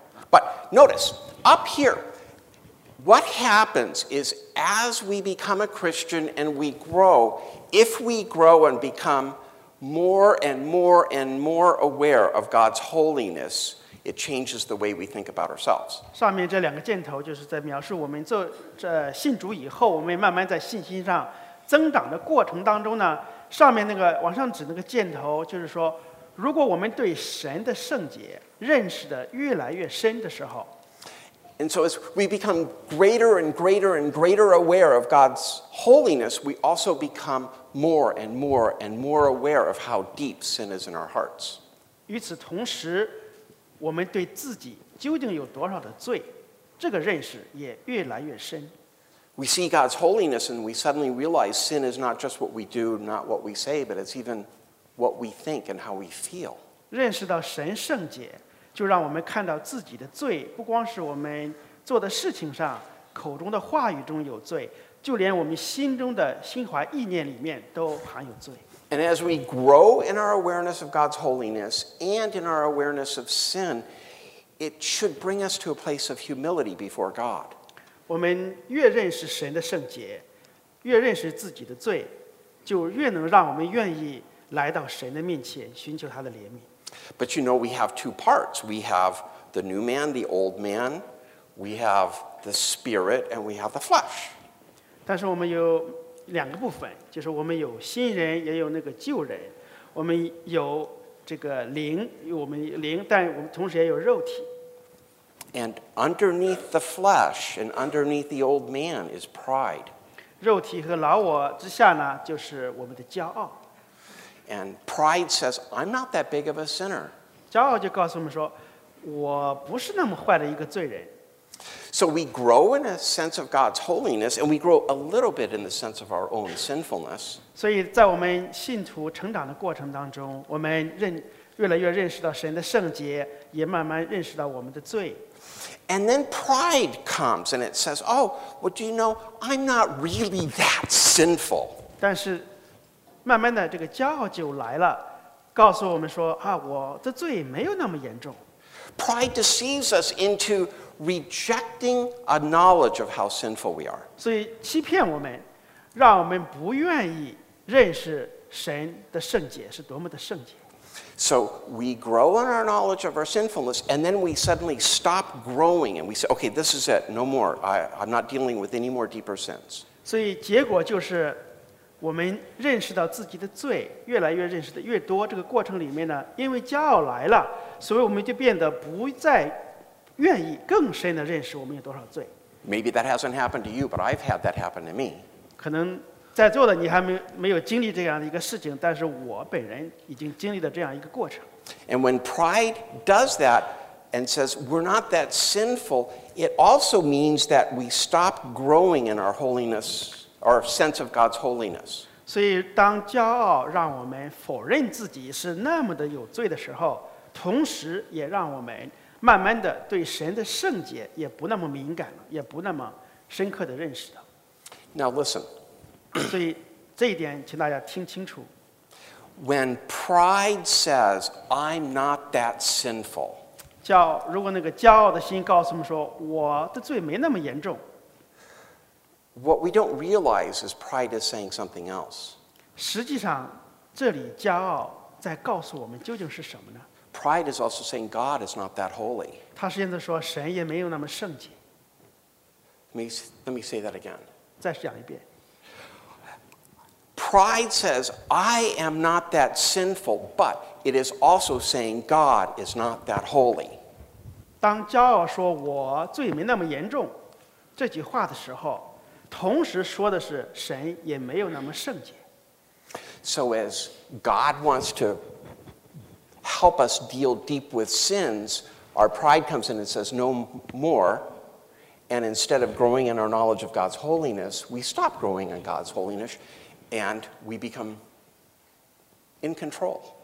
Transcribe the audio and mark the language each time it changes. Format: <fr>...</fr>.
<en>But notice, up here, what happens is as we become a Christian and we grow, if we grow and become more and more and more aware of God's holiness, it changes the way we think about ourselves.</en> <zh>上面这两个箭头就是在描述我们做这信主以后，我们慢慢在信心上增长的过程当中呢，上面那个往上指那个箭头就是说，如果我们对神的圣洁认识的越来越深的时候，</zh> <en>And so as we become greater and greater and greater aware of God's holiness, we also become more and more and more aware of how deep sin is in our hearts.</en> <zh>与此同时，我们对自己究竟有多少的罪，这个认识也越来越深。</zh> <en>We see God's holiness and we suddenly realize sin is not just what we do, not what we say, but it's even what we think and how we feel.</en> <zh>认识到神圣洁，就让我们看到自己的罪，不光是我们做的事情上，口中的话语中有罪，就连我们心中的心怀意念里面都含有罪。</zh> <en>And as we grow in our awareness of God's holiness and in our awareness of sin, it should bring us to a place of humility before God.</en> <zh>我们越认识神的圣洁，越认识自己的罪，就越能让我们愿意来到神的面前，寻求他的怜悯。</zh> <en>But you know, we have two parts. We have the new man, the old man. We have the spirit and we have the flesh.</en> <zh>但是我们有两个部分，就是我们有新人，也有那个旧人。我们有这个灵，我们灵，但我们同时也有肉体。</zh> <en>And underneath the flesh and underneath the old man is pride.</en> <zh>肉体和老我之下呢，就是我们的骄傲。</zh> <en>And pride says, "I'm not that big of a sinner."</en> <zh>骄傲就告诉我们说，我不是那么坏的一个罪人。</zh> <en>So we grow in a sense of God's holiness, and we grow a little bit in the sense of our own sinfulness.</en> <zh>所以在我们信徒成长的过程当中，我们越来越认识到神的圣洁，也慢慢认识到我们的罪。</zh> <en>And then pride comes, and it says, "Oh, well, do you know, I'm not really that sinful."</en> <zh>但是慢慢的，这个骄傲就来了，告诉我们说啊，我的罪没有那么严重。</zh> <en>Pride deceives us into rejecting a knowledge of how sinful we are.</en> <zh>所以欺骗我们，让我们不愿意认识神的圣洁是多么的圣洁。</zh> <en>So we grow in our knowledge of our sinfulness, and then we suddenly stop growing, and we say, "Okay, this is it, no more. I'm not dealing with any more deeper sins."</en> <zh>所以结果就是，我们认识到自己的罪，越来越认识的越多。这个过程里面呢，因为骄傲来了，所以我们就变得不再愿意更深的认识我们有多少罪。</zh> <en>Maybe that hasn't happened to you, but I've had that happen to me.</en> <zh>可能在座的你还没有经历这样的一个事情，但是我本人已经经历了这样一个过程。</zh> <en>And when pride does that and says we're not that sinful, it also means that we stop growing in our holiness. Our sense of God's holiness.</en> <zh>所以当骄傲让我们否认自己是那么的有罪的时候，同时也让我们慢慢的对神的圣洁也不那么敏感了，也不那么深刻的认识了。</zh> <en>Now listen.</en> <zh>所以这一点请大家听清楚。</zh> <en>When pride says, "I'm not that sinful."</en> <zh>如果那个骄傲的心告诉我们说，我的罪没那么严重。</zh> <en>What we don't realize is pride is saying something else.</en> <zh>实际上，这里骄傲在告诉我们究竟是什么呢？</zh> <en>Pride is also saying God is not that holy.</en> <zh>他实际上说神也没有那么圣洁。</zh> <en>Let me say that again.</en> <zh>再讲一遍。</zh> <en>Pride says I am not that sinful, but it is also saying God is not that holy.</en> <zh>当骄傲说我罪没那么严重，这句话的时候。同时说的是神也没有那么圣洁。</zh> <en>So as God wants to help us deal deep with sins, our pride comes in and says no more. And instead of growing in our knowledge of God's holiness, we stop growing in God's holiness, and we become in control.</en>